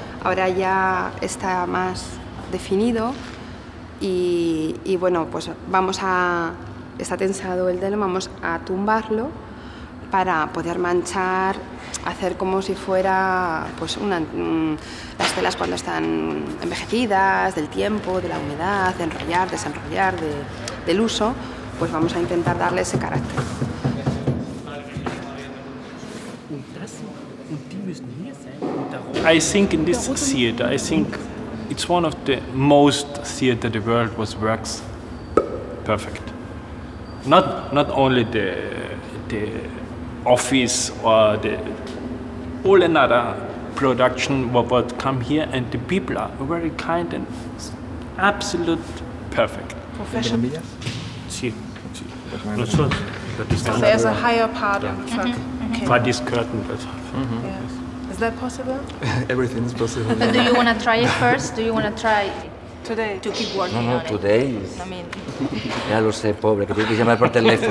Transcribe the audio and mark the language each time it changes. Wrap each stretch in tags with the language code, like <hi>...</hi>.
<es>Ahora ya está más definido y bueno, pues está tensado el telón, vamos a tumbarlo para poder manchar, hacer como si fuera pues las telas cuando están envejecidas, del tiempo, de la humedad, de enrollar, desenrollar, del uso, pues vamos a intentar darle ese carácter.</es> <en>I think in this theater, I think it's one of the most theater the world was works perfect. Not only the office or the all another production what come here, and the people are very kind and absolute perfect. Professional. There's a higher part of the truck. Okay. For this curtain, but. Mm-hmm. Yeah. Is that possible? Everything is possible. But do you want to try it first? Do you want to try today to keep working? No, today. It? I mean,</en> <es>ya lo sé, pobre, que tengo que llamar por teléfono.</es>